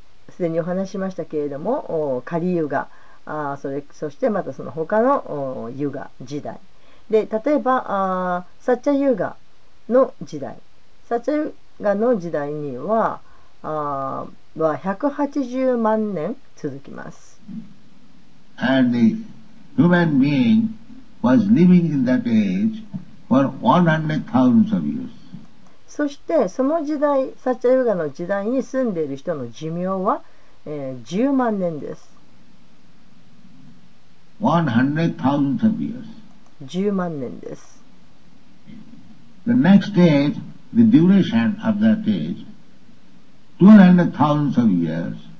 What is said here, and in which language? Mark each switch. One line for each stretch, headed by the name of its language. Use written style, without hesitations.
Japanese: すでにお話しましたけれども、カリユガ、そしてまたその他のユガ時代で、例えばサッチャユガの時代、サッチャユガの時代には180万年続きます。
English: And the human being was living in that age for 100,000 of years。
Japanese: そしてその時代、サッチャユガの時代に住んでいる人の寿命は、10万年です。
English: 100,000 years
Japanese: 10万年です。
English: The next age, the duration of that age 200,000 years。